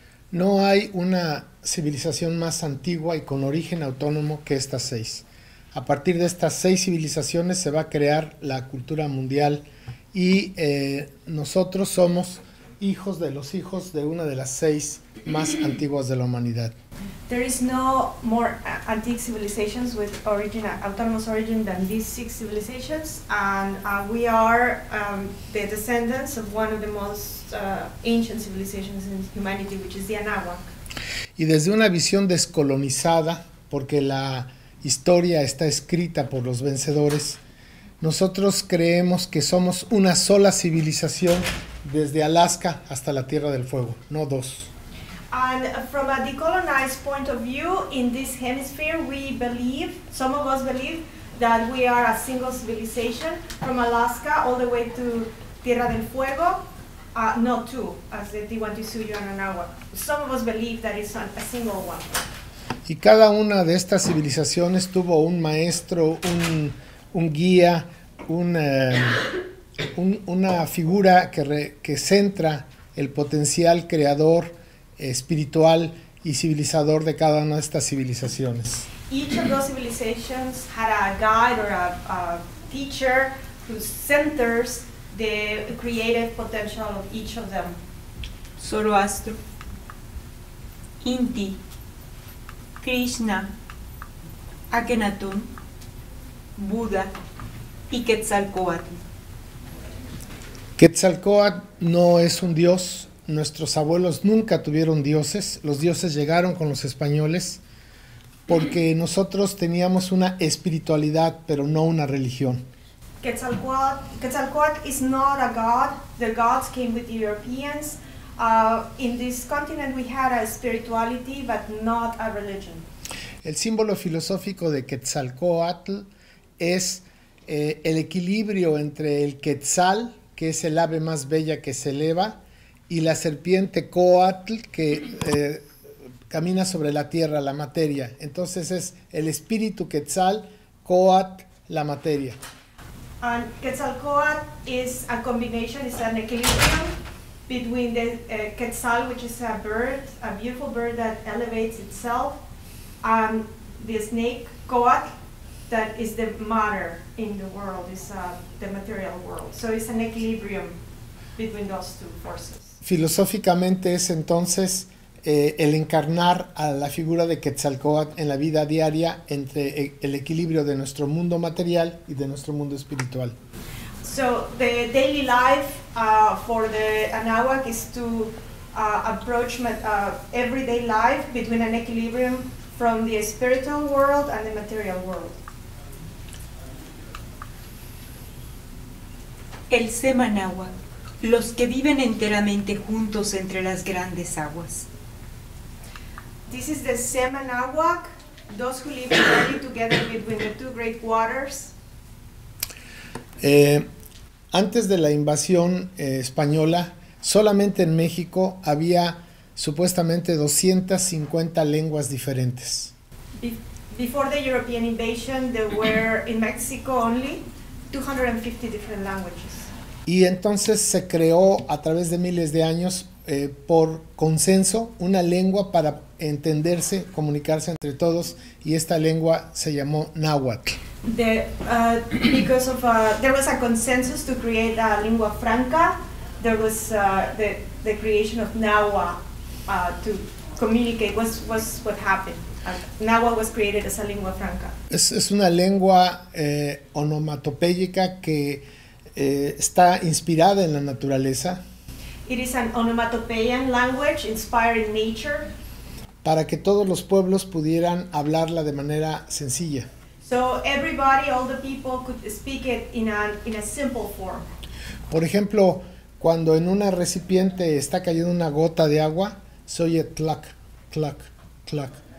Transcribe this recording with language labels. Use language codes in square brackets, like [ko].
[es] No hay una civilización más antigua y con origen autónomo que estas 6. A partir de estas 6 civilizaciones se va a crear la cultura mundial, y nosotros somos hijos de una de las 6 más antiguas de la humanidad. [en] There is no more antique civilizations with origin, autonomous origin, than these 6 civilizations, and we are the descendants of one of the most ancient civilizations in humanity, which is the Anáhuac. [es] Y desde una visión descolonizada, porque la historia está escrita por los vencedores, nosotros creemos que somos una sola civilización desde Alaska hasta la Tierra del Fuego, no 2. [en] And from a decolonized point of view in this hemisphere, we believe, some of us believe, that we are a single civilization from Alaska all the way to Tierra del Fuego, not 2, as the Tahuantinsuyo and Anáhuac. Some of us believe that it's a single one. [es] Y cada una de estas civilizaciones tuvo un maestro, un guía, una figura que centra el potencial creador, espiritual y civilizador de cada una de estas civilizaciones. [en] Each of those civilizations had a guide or a teacher who centers the creative potential of each of them. [es] Zoroastro. Inti, Krishna, Akhenaten, Buda y Quetzalcóatl. Quetzalcóatl no es un dios. Nuestros abuelos nunca tuvieron dioses. Los dioses llegaron con los españoles porque nosotros teníamos una espiritualidad, pero no una religión. [en] Quetzalcóatl is not a god. The gods came with Europeans. In this continent we had a spirituality, but not a religion. [es] El símbolo filosófico de Quetzalcóatl es el equilibrio entre el quetzal, que es el ave más bella que se eleva, y la serpiente Coatl, que camina sobre la tierra, la materia. Entonces es el espíritu Quetzal, Coatl, la materia. [en] And Quetzalcoatl is a combination, it's an equilibrium between the Quetzal, which is a bird, a beautiful bird that elevates itself, and the snake Coatl, that is the matter in the world, is the material world. So it's an equilibrium between those two forces. [es] Filosóficamente es entonces el encarnar a la figura de Quetzalcóatl en la vida diaria entre el equilibrio de nuestro mundo material y de nuestro mundo espiritual. [en] So the daily life for the Anahuac is to approach everyday life between an equilibrium from the spiritual world and the material world. [es] El Semanahuac. Los que viven enteramente juntos entre las grandes aguas. [en] This is the Semanahuac, those who live entirely together between the two great waters. [es] Antes de la invasión española, solamente en México había supuestamente 250 lenguas diferentes. [en] Before the European invasion, there were in Mexico only 250 different languages. [es] Y entonces se creó a través de miles de años, por consenso, una lengua para entenderse, comunicarse entre todos, y esta lengua se llamó Náhuatl. [en] There was a consensus to create a lengua franca, there was the creation of Náhuatl to communicate, was what happened. Náhuatl was created as a lengua franca. [es] Es una lengua onomatopéyica que está inspirada en la naturaleza. [en] It is an onomatopoeian language inspired in nature. [es] Para que todos los pueblos pudieran hablarla de manera sencilla. [en] So everybody, all the people could speak it in a simple form. [es] Por ejemplo, cuando en un recipiente está cayendo una gota de agua, se oye tlac, tlac, tlac.